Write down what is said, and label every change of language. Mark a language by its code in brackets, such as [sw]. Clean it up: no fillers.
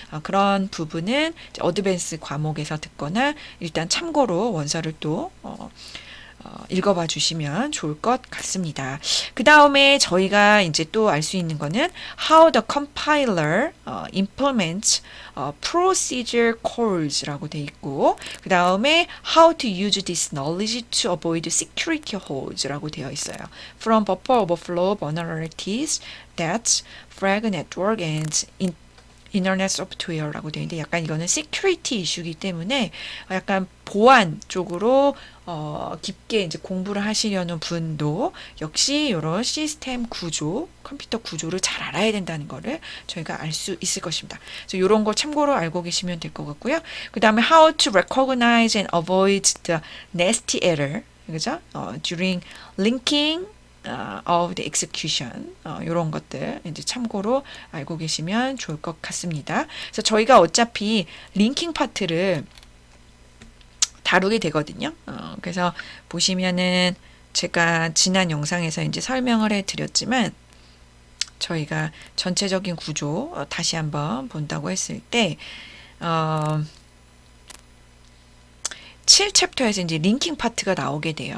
[ko] 그런 부분은 어드밴스 과목에서 듣거나 일단 참고로 원서를 또, 읽어봐 주시면 좋을 것 같습니다. 그 다음에 저희가 이제 또알수 있는 거는 [en] How the compiler implements procedure calls라고 [ko] 돼 있고, 그 다음에 [en] How to use this knowledge to avoid security holes라고 [ko] 되어 있어요. [en] From buffer overflow vulnerabilities, that frag network and [ko] 인터넷 소프트웨어라고 되어 있는데 약간 이거는 시큐리티 이슈이기 때문에 약간 보안 쪽으로 깊게 이제 공부를 하시려는 분도 역시 이런 시스템 구조, 컴퓨터 구조를 잘 알아야 된다는 거를 저희가 알수 있을 것입니다. 그래서 이런 거 참고로 알고 계시면 될것 같고요. 그 다음에 [en] How to recognize and avoid the nasty error. [ko] 그죠? [en] During linking of the execution [ko] 이런 것들 이제 참고로 알고 계시면 좋을 것 같습니다. 그래서 저희가 어차피 링킹 파트를 다루게 되거든요. 그래서 보시면은 제가 지난 영상에서 이제 설명을 해드렸지만 저희가 전체적인 구조 다시 한번 본다고 했을 때 7챕터에서 이제 링킹 파트가 나오게 돼요.